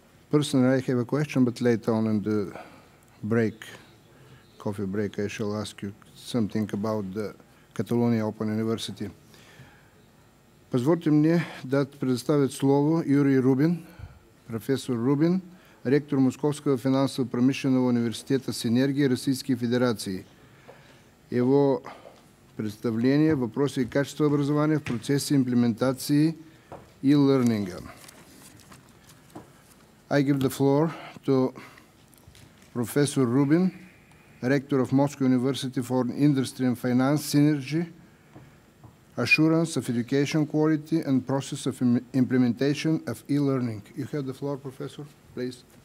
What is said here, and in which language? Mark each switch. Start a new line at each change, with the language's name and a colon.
English: Personally, I have a question, but later on in the break, coffee break, I shall ask you something about the Catalonia Open University.
Russian: Позвольте мне дать предоставить слово Юрию Рубин, профессор Рубин, ректор Московского финансово-промышленного университета Синергия Российской Федерации. Его представление, вопросы и качество образования в процессе имплементации и лернинга.
English: I give the floor to Professor Rubin, Rector of Moscow University for Industry and Finance Synergy, Assurance of Education Quality and Process of Implementation of e-Learning. You have the floor, Professor, please.